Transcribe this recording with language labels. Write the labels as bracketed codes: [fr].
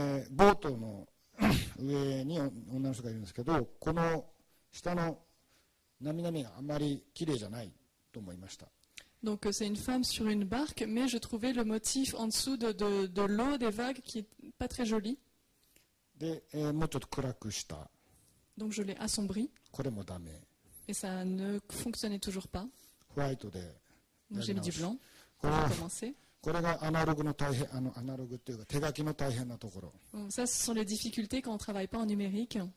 [ja] ボートの上に女の人がいるんですけどこの下の波々があまり綺麗じゃないと思いました。 [fr] Donc c'est une femme sur une barque, mais je trouvais le motif en dessous de l'eau des vagues qui est pas très joli. [ja] で、もうちょっと暗くした。 [fr] Donc je l'ai assombri. [ja] これもダメ。 [fr] Et ça ne fonctionnait toujours pas. [ja] ホワイトで。 [fr] Donc j'ai mis du blanc. Pour recommencer. [ja] これがアナログの大変、あのアナログっていうか手書きの大変なところ。 [fr] Ça ce sont les difficultés quand on travaille pas en numérique.